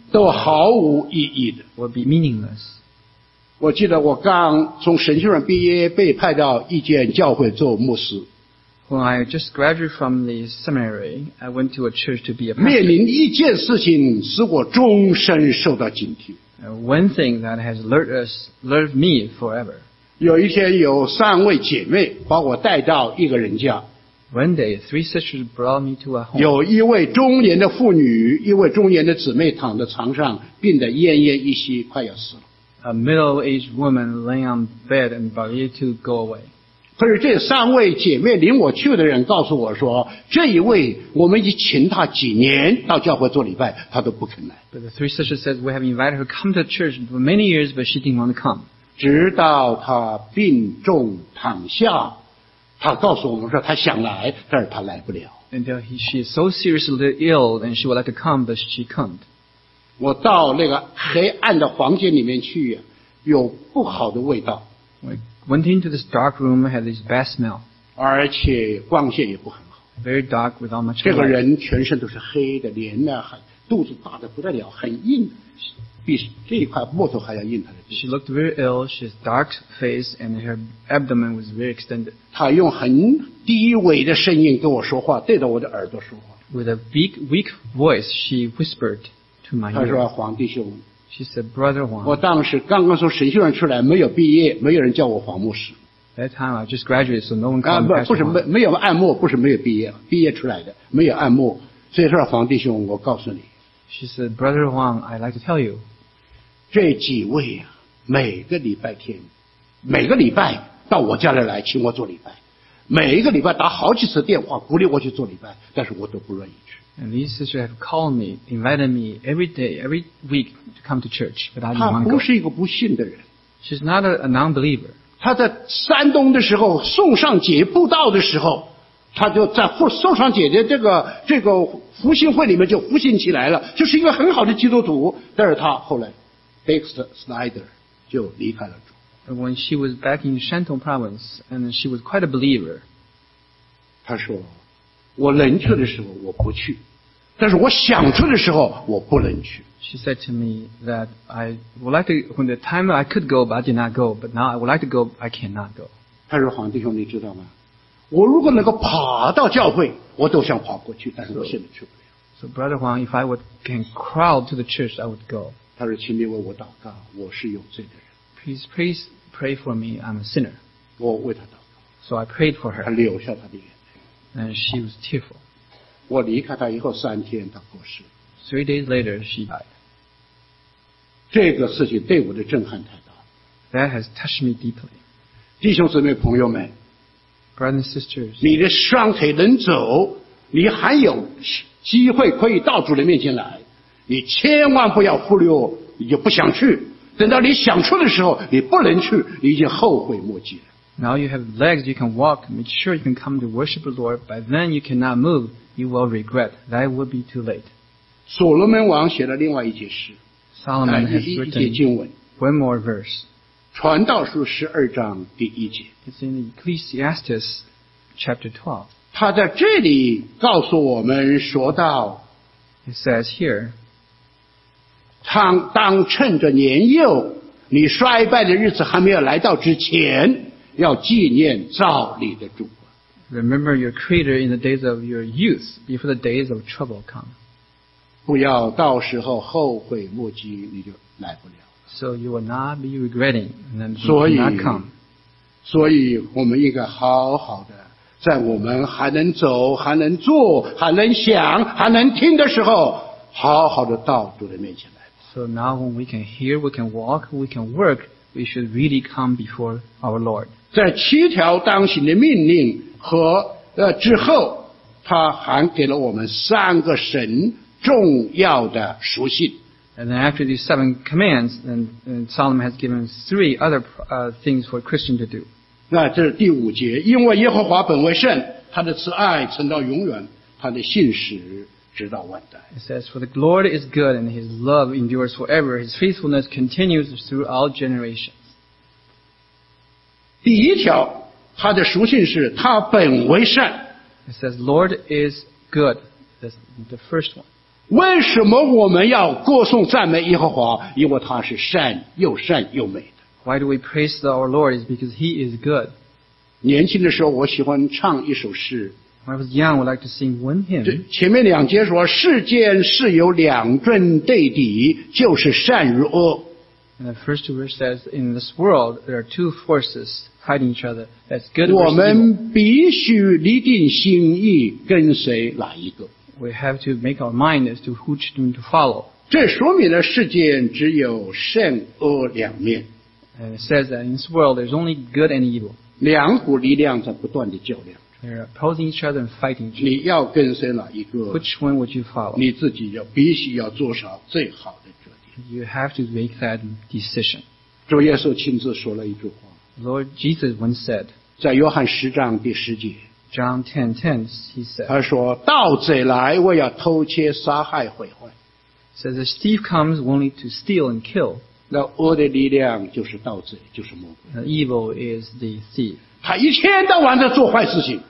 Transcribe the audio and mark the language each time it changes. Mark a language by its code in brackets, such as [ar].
[zh] 都毫无意义的。 [en] Will be meaningless. [zh] 我记得我刚从神学院毕业，被派到一间教会做牧师。 [en] When I just graduated from the seminary, I went to a church to be a pastor. [zh] 面临一件事情使我终身受到警惕。 [en] One thing that has alert us, alert me forever. [zh] 有一天有三位姐妹把我带到一个人家。 [en] One day, three sisters brought me to a home. [zh] 有一位中年的妇女，一位中年的姊妹躺在床上，病得奄奄一息，快要死了。 [en] A middle-aged woman lay on bed and about to go away. [zh] 可是这三位姐妹领我去的人告诉我说，这一位我们已经请他几年到教会做礼拜，他都不肯来。 [en] But the three sisters said we have invited her come to church for many years, but she didn't want to come. [zh] 直到她病重躺下，她告诉我们说她想来，但是她来不了。 [en] Until she is so seriously ill and she would like to come, but she can't. [zh] 我到那个黑暗的房间里面去，有不好的味道。 [en] Went into this dark room, had this bad smell. [zh] 而且光线也不很好。 [en] Very dark, without much. [zh] 这个人全身都是黑的，脸呢很，肚子大得不得了，很硬，比这一块木头还要硬。他的。 [en] She looked very ill. She has dark face, and her abdomen was very extended. [zh] 他用很低微的声音跟我说话，对着我的耳朵说话。 [en] With a big, weak voice, she whispered to my ear. [zh] 他说：“黄弟兄。” [en] She said, "Brother Huang." [zh] 我当时刚刚从神学院出来，没有毕业，没有人叫我黄牧师。 [en] That time I just graduated, so no one called me. [zh] 不是没有按摩，不是没有毕业，毕业出来的没有按摩。所以说，黄弟兄，我告诉你。 [en] She said, "Brother Huang, I'd like to tell you." [zh] 这几位啊，每个礼拜天，每个礼拜到我家里来请我做礼拜，每一个礼拜打好几次电话鼓励我去做礼拜，但是我都不愿意去。 [en] And these sisters have called me, invited me every day, every week to come to church, but I didn't want to go. [zh] 她不是一个不信的人。 [en] She's not a non-believer. [zh] 她在山东的时候，宋尚杰布道的时候，她就在宋尚杰的这个复兴会里面就复兴起来了，就是一个很好的基督徒。但是她后来 ，Dexter Snyder 就离开了主。 [en] And when she was back in Shantung Province, and she was quite a believer. [zh] 她说。我能去的时候我不去，但是我想去的时候我不能去。 [en] She said to me that I would like to, when the time I could go, but I did not go, but now I would like to go, I cannot go. [zh] 他说黄弟兄你知道吗，我如果能够爬到教会我都想爬过去，但是我现在去不了。 [en] So Brother Huang, if I would can crowd to the church, I would go. [zh] 他说请你为我祷告，我是有罪的人。 [en] Please pray for me, I'm a sinner. [zh] 我为他祷告。 [en] So I prayed for her. [zh] 他留下他的眼。 [en] And she was tearful. [zh] 我离开她以后三天她过世。 [en] Three days later, she died. [zh] 这个事情对我的震撼太大。 [en] That has touched me deeply. [zh] 弟兄姊妹朋友们。 [en] Brothers and sisters. [zh] 你的双腿能走，你还有机会可以到主的面前来。你千万不要忽略，你就不想去。等到你想去的时候，你不能去，你已经后悔莫及了。 [en] Now you have legs, you can walk, make sure you can come to worship the Lord, but then you cannot move, you will regret. That will be too late. Solomon has written one more verse. [zh] 传道书十二章第一节。 [en] It's in Ecclesiastes chapter 12. [zh] 他在这里告诉我们说到 [en] It says here, [zh] 当趁着年幼，你衰败的日子还没有来到之前，要纪念造你的主。 [en] Remember your creator in the days of your youth, before the days of trouble come. [zh] 不要到时候后悔莫及，你就来不了。 [en] So you will not be regretting, and then you will not come. [zh] 所以我们应该好好的，在我们还能走、还能坐、还能想、还能听的时候，好好的到主的面前来。 [en] So now when we can hear, we can walk, we can work,We should really come before our Lord. [zh] 在七条当行的命令和之后，他还给了我们三个神重要的书信。 [en] And then after these seven commands, and Solomon has given three other things for a Christian to do. [zh] 那这是第五节，因为耶和华本为圣，他的慈爱存到永远，他的信实直到万代。 [en] It says, For the Lord is good, and His love endures forever. His faithfulness continues through all generations. [zh] 第一条，他的属性是他本为善。 [en] It says, Lord is good. That's the first one. [zh] 为什么我们要歌颂赞美耶和华？因为他是善，又善又美的。 [en] Why do we praise our Lord? It's because He is good. [zh] 年轻的时候，我喜欢唱一首诗。 [en] When I was young, I would like to sing one hymn. [zh] 前面两节说，世间是有两阵对敌，就是善与恶。 [en] And the first verse says, in this world, there are two forces fighting each other. That's good. [zh] 我们必须立定心意，跟随哪一个。 [en] We have to make our mind as to which one to follow. [zh] 这说明了世间只有善恶两面。 [en] And it says that in this world, there's only good and evil. [zh] 两股力量在不断的较量。 [en] They're opposing each other and fighting each other. [zh] 你要跟随哪一个？ [en] Which one would you follow? [zh] 你自己要必须要做上最好的决定。 [en] You have to make that decision. [zh] 主耶稣亲自说了一句话。 [en] Lord Jesus once said. [zh] 在约翰十章第十节。 [en] John 10:10, he said. [zh] 他说：“盗贼来，我要偷窃、杀害、毁坏。” [en] Says the thief comes only to steal and kill. [zh] 那恶的力量就是盗贼，就是魔鬼。 [en] The evil is the thief. [zh] 他一天到晚在做坏事情。